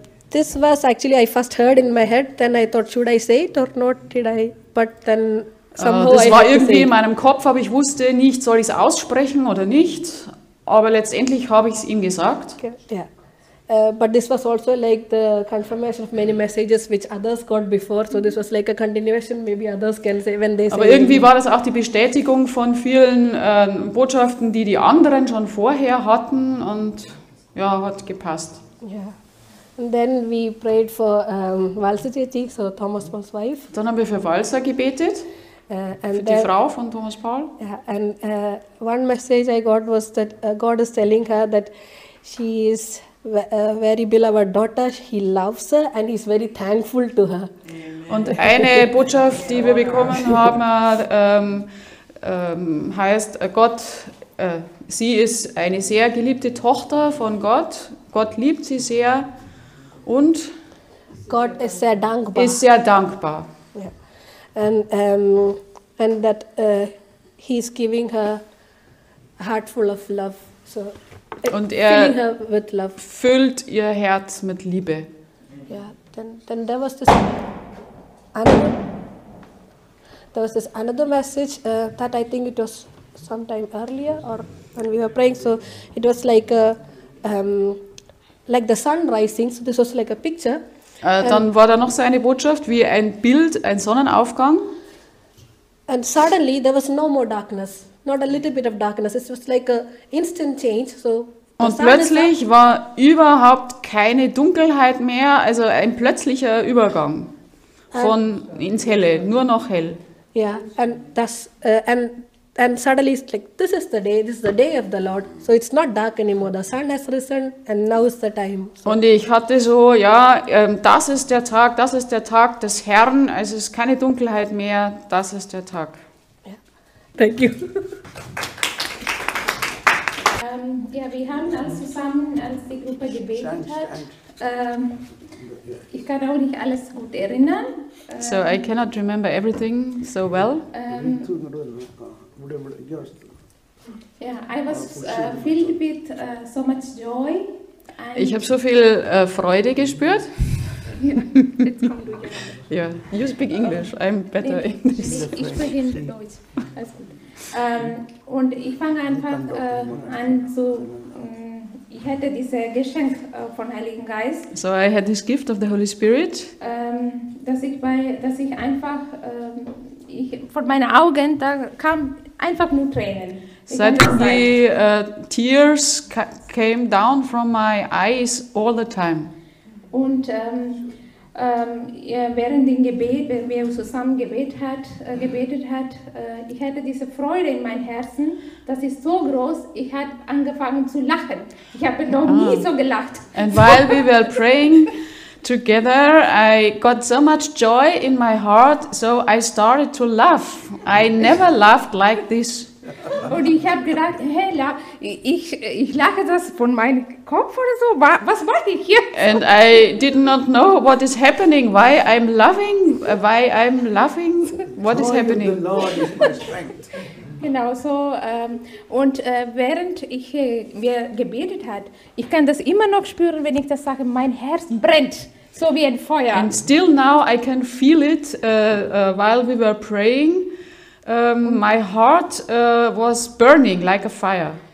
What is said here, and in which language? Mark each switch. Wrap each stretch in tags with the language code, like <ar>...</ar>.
<en>This was actually I first heard in my head, then I thought, should I say it or not? Did I? But then somehow</en> <de>das war irgendwie in meinem Kopf, aber ich wusste nicht, soll ich es aussprechen oder nicht. Aber letztendlich habe ich es ihm gesagt. Okay. Yeah.</de> <en>But this was also like the confirmation of many messages which others got before. So this was like a continuation. Maybe others can say when they say.</en> <de>Aber irgendwie war das auch die Bestätigung von vielen Botschaften, die die anderen schon vorher hatten, und ja, hat gepasst. Yeah.</de> <en>And then we prayed for Valsa, so Thomas Paul's wife.</en> <de>Dann haben wir für Valsa gebetet. Für die Frau von Thomas Paul.</de> <en>Yeah, and one message I got was that God is telling her that she is a very beloved daughter. He loves her and he's very thankful to her.</en> <de>Und eine Botschaft, die wir bekommen haben, heißt: Gott, sie ist eine sehr geliebte Tochter von Gott. Gott liebt sie sehr und Gott ist sehr dankbar. Ist sehr dankbar.</de> <en>And that he is giving her a heart full of love. So</en> <de>Und er füllt ihr Herz mit Liebe. Ja, denn da war das andere.</de> <en>There was this another message that I think it was sometime earlier or when we were praying. So it was like the sun rising. So this was like a picture.</en> <de>Dann war da noch so eine Botschaft wie ein Bild, ein Sonnenaufgang.</de> <en>And suddenly there was no more darkness, not a little bit of darkness. It was like a instant change. So.</en> <de>Und plötzlich war überhaupt keine Dunkelheit mehr, also ein plötzlicher Übergang von ins Helle, nur noch hell.</de> <en>Yeah, and that's and suddenly it's like this is the day, this is the day of the Lord. So it's not dark anymore. The sun has risen, and now is the time. So.</en> <de>Und ich hatte so, ja, das ist der Tag, das ist der Tag des Herrn. Es ist keine Dunkelheit mehr. Das ist der Tag.</de> <en>Yeah. Thank you.</en> <de>Ja, wir haben dann zusammen, als die Gruppe gebetet hat, ich kann auch nicht alles gut erinnern.</de> <en>So I cannot remember everything so well. I was filled with so much joy.</en> <de>Ich habe so viel Freude gespürt.</de> <en>Ja, yeah, you speak English, I'm better in English.</en> <de>Ich spreche in Deutsch, alles gut. Und ich fange einfach an zu, ich hätte dieses Geschenk von Heiligen Geist.</de> <en>So I had this gift of the Holy Spirit.</en> <de>Dass ich vor meinen Augen, da kam einfach nur Tränen.</de> <en>Suddenly tears came down from my eyes all the time.</en> <de>Und während dem Gebet, wenn wir zusammen gebetet hat, ich hatte diese Freude in meinem Herzen, das ist so groß, ich habe angefangen zu lachen. Ich habe noch nie so gelacht.</de> <en>And while we were praying together, I got so much joy in my heart, so I started to laugh. I never laughed like this.</en> <de>Und ich habe gedacht, hey, ich lache das von meinem Kopf oder so, was mache ich hier?</de> <en>And I did not know what is happening, why I'm laughing, what is happening? The Lord is my strength.</en> <de>Genau so. Und während ich mir gebetet hat, ich kann das immer noch spüren, wenn ich das sage, mein Herz brennt. So wie ein Feuer.</de> <en>And still now I can feel it while we were praying. My heart was burning like a fire.</en>